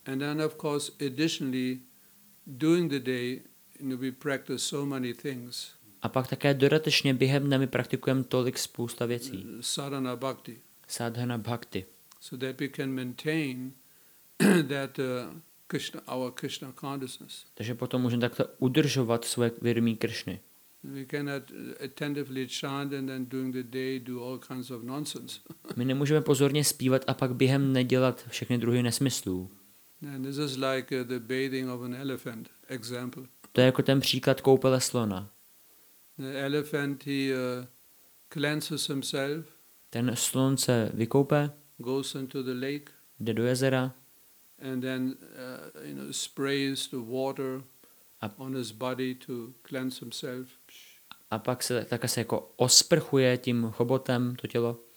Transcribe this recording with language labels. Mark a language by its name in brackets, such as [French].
[English] And then of course additionally during the day we practice so many things. [Czech] A pak také dodatečně během dne my praktikujeme tolik spousta věcí. [Sanskrit] Sadhana bhakti. Sadhana bhakti. [English] So that we can maintain that Krishna, our Krishna consciousness. [Czech] Takže potom můžeme takto udržovat své vědomí Krishny. [English] We cannot attentively chant and then during the day do all kinds of nonsense. [Czech] My nemůžeme pozorně zpívat a pak během dne dělat všechny druhy nesmyslů. [English] And this is like the bathing of an elephant example. [Czech] To je jako ten příklad koupele slona. [English] The elephant cleanses himself. [Czech] Ten slon se vykoupe. [English] Goes into the lake. [Czech] Jde do jezera. [English] And then sprays the water on his body to cleanse himself. [Czech] A pak se také se jako osprchuje tím chobotem to tělo.